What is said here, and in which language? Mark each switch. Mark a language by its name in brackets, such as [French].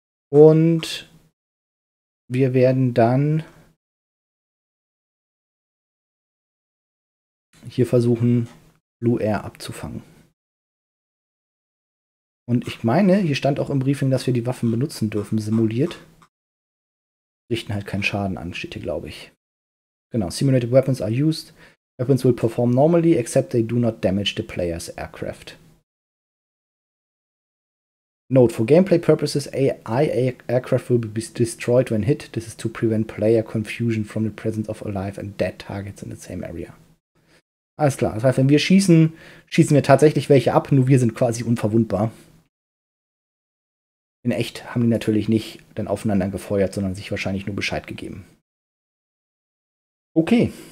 [German] Und wir werden dann hier versuchen, Blue Air abzufangen. Und ich meine, hier stand auch im Briefing, dass wir die Waffen benutzen dürfen, simuliert. Richten halt keinen Schaden an, steht hier, glaube ich. [English] Genau, simulated weapons are used. Weapons will perform normally, except they do not damage the player's aircraft. Note, for gameplay purposes, AI aircraft will be destroyed when hit. This is to prevent player confusion from the presence of alive and dead targets in the same area. [German] Alles klar. Das heißt, wenn wir schießen, schießen wir tatsächlich welche ab, nur wir sind quasi unverwundbar. In echt haben die natürlich nicht dann aufeinander gefeuert, sondern sich wahrscheinlich nur Bescheid gegeben. Okay.